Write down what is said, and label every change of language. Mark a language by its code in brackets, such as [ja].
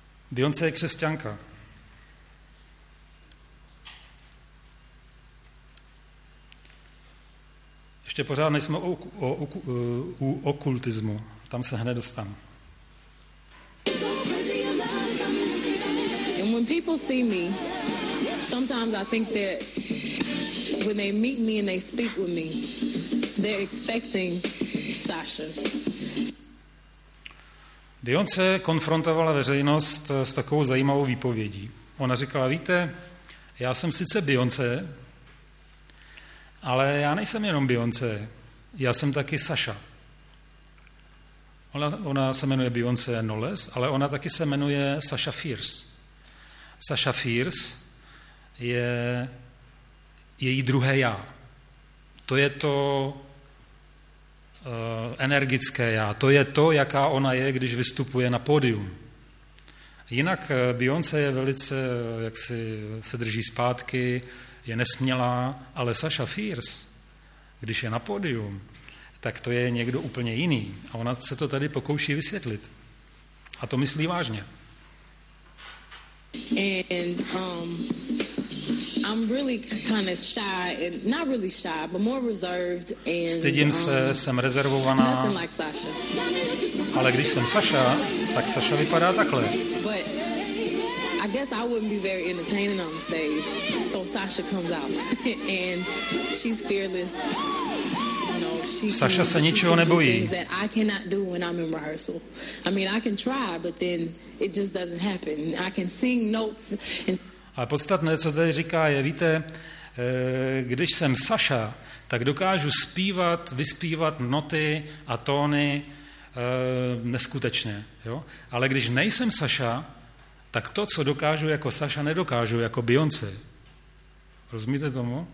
[cs] Beyoncé je křesťanka. Ještě pořád nejsme u okultismu. Tam se hned dostanu. [en] when people see me, sometimes I think that when they meet me and they speak with me, they're expecting Sasha. [cs] Beyoncé konfrontovala veřejnost s takovou zajímavou výpovědí. Ona říkala, víte, já jsem sice Beyoncé, ale já nejsem jenom Beyoncé, já jsem taky Sasha. Ona se jmenuje Beyoncé Knowles, ale ona taky se jmenuje Sasha Fierce. Sasha Fierce je její druhé já. To je to energické já. To je to, jaká ona je, když vystupuje na pódium. Jinak Beyoncé je velice, jak si se drží zpátky, je nesmělá, ale Sasha Fierce, když je na pódium, tak to je někdo úplně jiný. A ona se to tady pokouší vysvětlit. A to myslí vážně. [en] And I'm really kind of shy and not really shy, but more reserved and [cs] stydím se, jsem rezervovaná. Ale když jsem Sasha, tak Sasha vypadá takhle. [en] But I guess I wouldn't be very entertaining on stage. So Sasha comes out and she's fearless. [cs] Sasha se ničeho nebojí. [en] I cannot do when I'm in rehearsal. I mean, I can try, but then it just doesn't happen. I can sing notes and [cs] ale podstatné, co tady říká, je, víte, když jsem Sasha, tak dokážu zpívat, vyspívat noty a tóny neskutečně. Jo? Ale když nejsem Sasha, tak to, co dokážu jako Sasha, nedokážu jako Beyoncé. Rozumíte tomu?